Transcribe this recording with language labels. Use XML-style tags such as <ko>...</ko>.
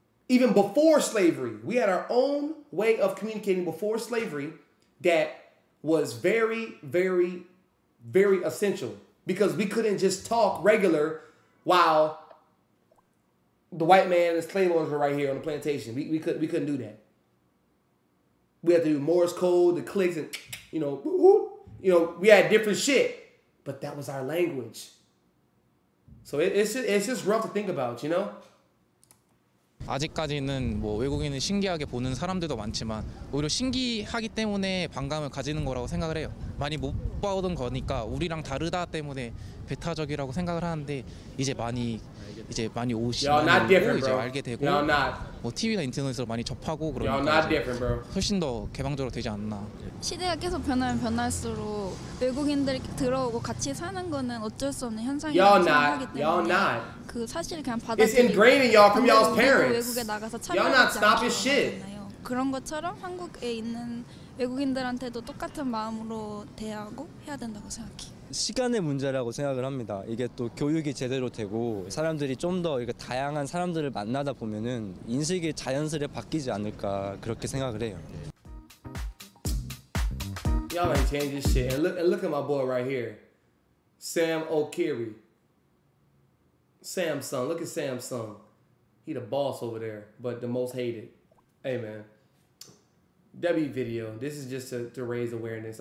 <en>Even before slavery, we had our own way of communicating before slavery that was very, very, very essential because we couldn't just talk regular while the white man and slave owners were right here on the plantation. We couldn't do that. We had to do Morse code, the clicks, and you know, we had different shit, but that was our language. So it's just rough to think about, you know?</en> <ko>아직까지는 뭐 외국인을 신기하게 보는 사람들도 많지만 오히려 신기하기 때문에 반감을 가지는 거라고 생각을 해요. 많이 못 봐오던 거니까 우리랑 다르다 때문에 배타적이라고 생각을 하는데 이제 많이 오시고 이제 알게 되고 뭐 TV나 인터넷으로 많이 접하고 그러니까 훨씬 더 개방적으로 되지 않나. 시대가 계속 변하면 변할수록 외국인들이 들어오고 같이 사는 거는 어쩔 수 없는 현상이라고 생각하기 때문에 그 사실을 그냥 받아들이고</ko> <en>It's ingrained in y'all from y'all's parents.</en> <ko>외국에 나가서 차별받지 않잖아요. 그런 것처럼 한국에 있는 외국인들한테도 똑같은 마음으로 대하고 해야 된다고 생각해요. 시간의 문제라고 생각을 합니다. 이게 또 교육이 제대로 되고 사람들이 좀 더 다양한 사람들을 만나다 보면은 인식이 자연스레 바뀌지 않을까 그렇게 생각을 해요.</ko> <en>Y'all ain't changing shit. And look at my boy right here. Sam O'Keary. Samsung. Look at Samsung. He the boss over there, but the most hated. Hey, man. W video. This is just to raise awareness.</en>